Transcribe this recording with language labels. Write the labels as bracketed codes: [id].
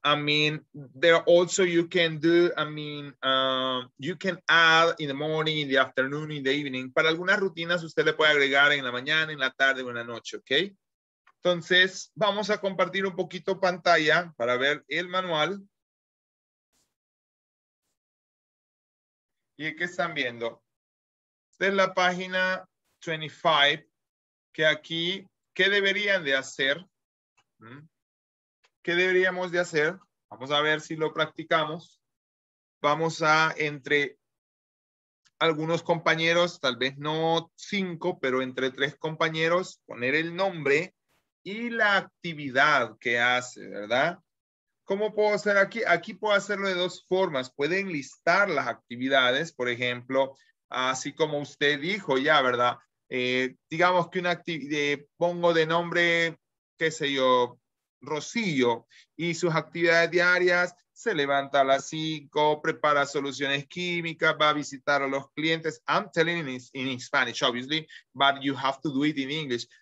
[en] I mean, there also you can do, I mean, you can add in the morning, in the afternoon, in the evening. [es] Para algunas rutinas, usted le puede agregar en la mañana, en la tarde, en la noche, okay? Entonces, vamos a compartir un poquito pantalla para ver el manual. ¿Y qué están viendo? Esta es la página 25, que aquí, ¿qué deberían de hacer? ¿Qué deberíamos de hacer? Vamos a ver si lo practicamos. Vamos a, entre algunos compañeros, tal vez no 5, pero entre 3 compañeros, poner el nombre y la actividad que hace, ¿verdad? ¿Cómo puedo hacer aquí? Aquí puedo hacerlo de 2 formas. Pueden listar las actividades, por ejemplo, así como usted dijo ya, ¿verdad? Digamos que una actividad, pongo de nombre, qué sé yo, Rocío, y sus actividades diarias, se levanta a las 5, prepara soluciones químicas, va a visitar a los clientes. [en] I'm telling it in Spanish, obviously, but you have to do it in English.